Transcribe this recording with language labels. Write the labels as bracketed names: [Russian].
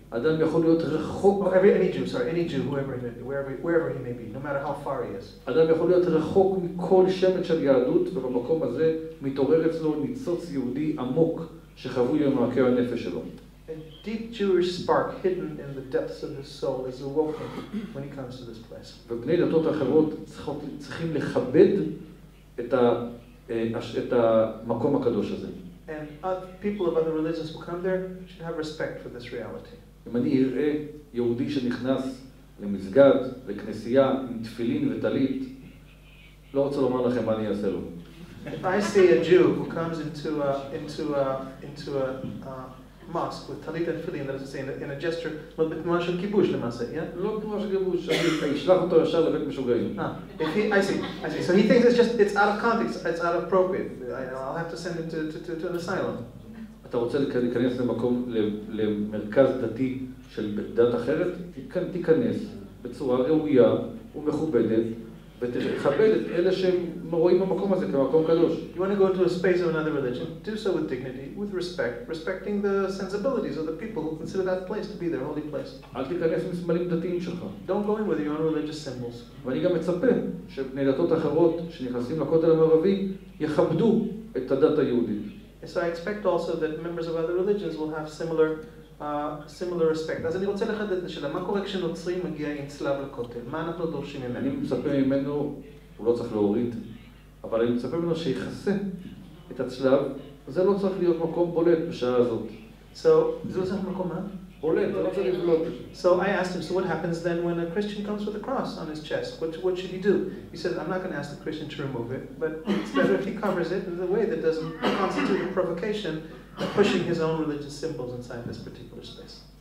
[Hebrew] Adam יכול להיות רחוק, [English] any Jew, whoever he may be, wherever he may be, no matter how far he is. [Hebrew] Adam יכול להיות רחוק מכל שמץ של יהדות, ובמקום הזה מתעורר אצלו ניצוץ יהודי עמוק שחבוי במעקה הנפש שלו. [English] A deep Jewish spark hidden in the depths of his soul is awoken when he comes to this place. [Hebrew] ובני דתות אחרות צריכים לכבד את המקום הקדוש הזה. [English] And people of other religions who come there should have respect for this reality. [Hebrew] אם אני אראה יהודי שנכנס למסגד, לכנסייה, עם תפילין וטלית, לא רוצה לומר לכם מה אני אעשה לו. [English] If I see a Jew who comes into a mosque with talit and tefillin, that is to say, in a gesture, well, but more of a kibush, למעשה, yeah? [Hebrew] לא כמו שכיבוש, אני אשלח אותו ישר לבית משוגעים. [English] I see. So he thinks it's out of context, it's out of appropriate. I'll have to send him to an asylum. [Hebrew] אתה רוצה להיכנס למקום, למרכז דתי של דת אחרת? תיכנס בצורה ראויה ומכובדת, ותכבד את אלה שרואים במקום הזה כמקום קדוש. [English] You want to go into a space of another religion, do so with dignity, with respect, respecting the sensibilities of the people who consider that place to be their holy place. [Hebrew] אל תיכנס עם סמלים דתיים שלך. [English] Don't go in with your own religious symbols. [Hebrew] ואני גם מצפה שבני דתות אחרות שנכנסים לכותל המערבי יכבדו את הדת היהודית. [English] So I expect also that members of other religions will have similar respect. [Hebrew] אז אני רוצה לחדד את השאלה, מה קורה כשנוצרי מגיע עם צלב לכותל? מה אנחנו דורשים ממנו? אני מצפה ממנו, הוא לא צריך להוריד, אבל אני מצפה ממנו שיחסה את הצלב, זה לא צריך להיות מקום בולט בשעה הזאת. So, זה לא צריך מקום מה? בולט, זה לא צריך לבלוט. [English] So I asked him, so what happens then when a Christian comes with a cross on his chest? What should he do? He said, I'm not going to ask the Christian to remove it, but it's better if he covers it in a way that doesn't constitute a provocation pushing his own religious symbols inside this particular space.